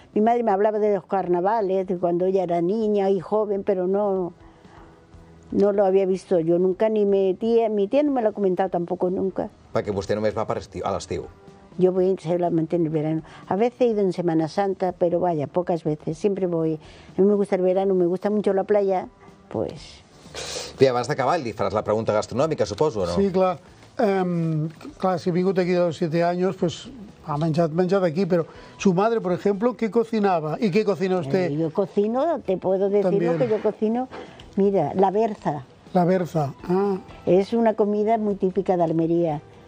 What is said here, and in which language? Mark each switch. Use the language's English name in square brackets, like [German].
[Spanish] Mi madre me hablaba de los carnavales, de cuando ella era niña y joven, pero no lo había visto yo nunca, ni mi tía no me lo ha comentado tampoco nunca. Porque usted no me va para al estío. Yo voy solamente en el verano. A veces he ido en Semana Santa, pero vaya, pocas veces. Siempre voy. A mí me gusta el verano, me gusta mucho la playa, pues... [Catalan] Bé, abans d'acabar, li faràs la pregunta gastronòmica, suposo, no? Sí, clar. Clar, si he vingut aquí [Spanish] de los 7 años, pues [Catalan] ha menjat aquí, [Spanish] pero su madre, por ejemplo, ¿qué cocinaba? ¿Y qué cocina usted? Yo cocino, te puedo decir lo que yo cocino. Mira, la berza. La berza, Es una comida muy típica de Almería.